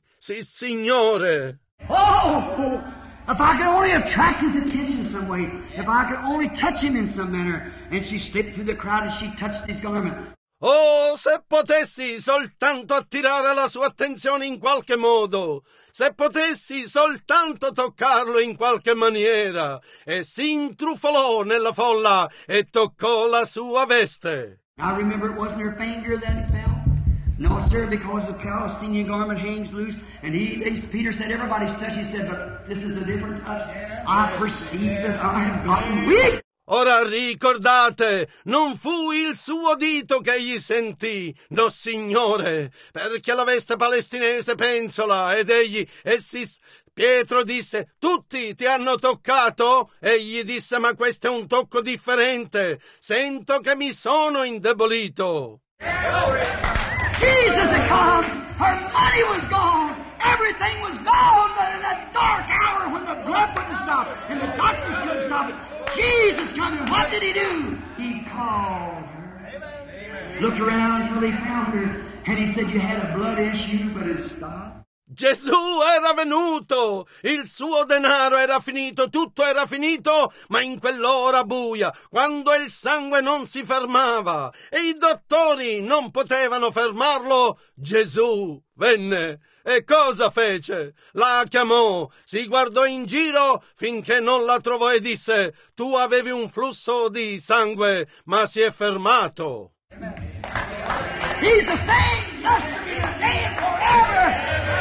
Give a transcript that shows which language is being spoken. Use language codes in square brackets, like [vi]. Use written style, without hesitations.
[it] Sì, signore. [en] Oh, if I could only attract his attention some way, if I could only touch him in some manner, and she slipped through the crowd as she touched his garment. [it] Oh, se potessi soltanto attirare la sua attenzione in qualche modo, se potessi soltanto toccarlo in qualche maniera, e si intrufolò nella folla e toccò la sua veste. [en] I remember it wasn't her finger that it fell. No, sir, because the Palestinian garment hangs loose, and Peter said, everybody's touch. He said, but this is a different touch. I perceive that I have gotten weak. [it] Ora ricordate, non fu il suo dito che egli sentì, no signore, perché la veste palestinese pensola, ed egli, Pietro disse, tutti ti hanno toccato? Egli disse, ma questo è un tocco differente, sento che mi sono indebolito. [en] Jesus had come, her money was gone, everything was gone, but in that dark hour when the blood wouldn't stop and the doctors couldn't stop it, Jesus came and what did he do? He called her, looked around until he found her, and he said, you had a blood issue, but it stopped. [it] Gesù era venuto, il suo denaro era finito, tutto era finito, ma in quell'ora buia, quando il sangue non si fermava e i dottori non potevano fermarlo, Gesù venne. E cosa fece? La chiamò, si guardò in giro finché non la trovò e disse, tu avevi un flusso di sangue, ma si è fermato. [en] He's the same yesterday and forever.